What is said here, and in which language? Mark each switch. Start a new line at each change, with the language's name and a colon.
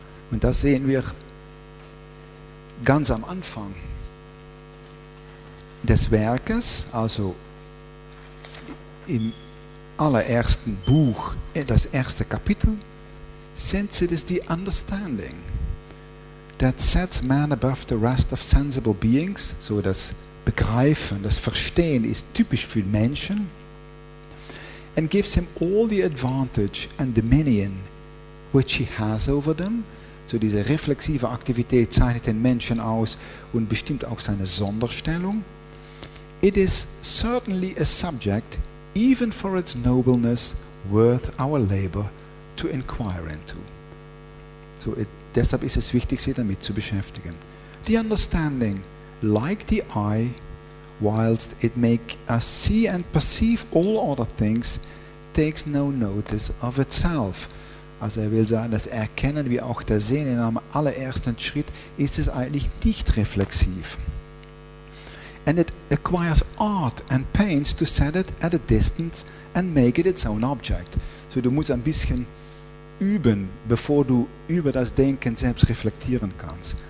German: Und das sehen wir ganz am Anfang des Werkes, also im allerersten Buch, das erste Kapitel,
English: Senses the Understanding, that sets man above the rest of sensible beings,
German: so das Begreifen, das Verstehen ist typisch für Menschen,
English: and gives him all the advantage and dominion which he has over them.
German: So diese reflexive Aktivität zeichnet den Menschen aus und bestimmt auch seine Sonderstellung.
English: It is certainly a subject, even for its nobleness, worth our labor to inquire into.
German: So deshalb ist es wichtig, sich damit zu beschäftigen.
English: The understanding, like the eye, whilst it make us see and perceive all other things, takes no notice of itself.
German: Also er will sagen, das Erkennen wie auch das Sehen in einem allerersten Schritt ist es eigentlich nicht reflexiv.
English: And it acquires art and pains to set it at a distance and make it its own object.
German: So du musst ein bisschen üben, bevor du über das Denken selbst reflektieren kannst.